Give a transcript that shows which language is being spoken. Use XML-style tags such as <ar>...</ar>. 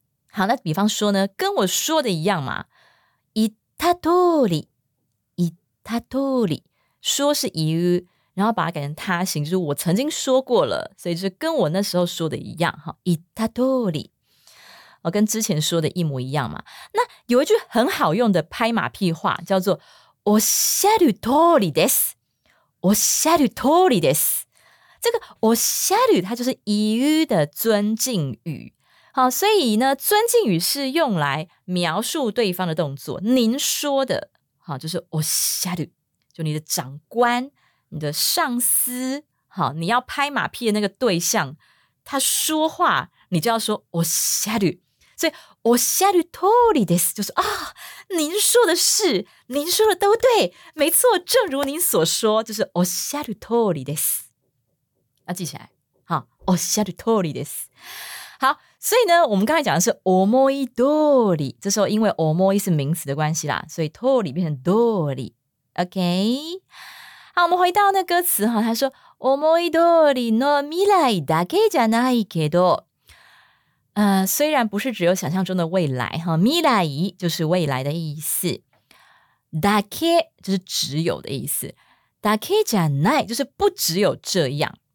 <zh>好，那比方说呢，跟我说的一样嘛，</zh> <ja>言った通り，</ja> <zh>言った通り，说是言う，然后把它改成他形，就是我曾经说过了，所以就是跟我那时候说的一样，言った通り，跟之前说的一模一样嘛。那有一句很好用的拍马屁话叫做</zh> <ja>おっしゃる通りです，</ja> <zh>おっしゃる通りです。这个おっしゃる它就是言う的尊敬语。好，所以呢尊敬语是用来描述对方的动作，您说的好，就是おっしゃる，就你的长官，你的上司，好，你要拍马屁的那个对象他说话，你就要说おっしゃる。所以</zh> <ja>おっしゃる通りです，</ja> <zh>就是啊，您说的是，您说的都对，没错，正如您所说，就是おっしゃる通りです。要记起来，好，</zh> <ja>おっしゃる通りです。</ja> <zh>好，所以呢我们刚才讲的是思い通り，这时候因为思い是名词的关系啦，所以通り变成通り。 OK, 好，我们回到那歌词，他说</zh> <ja>思い通りの未来だけじゃないけど，</ja> <zh>虽然不是只有想象中的未来，未来就是未来的意思，だけ就是只有的意思，だけじゃない就是不只有这样。</zh>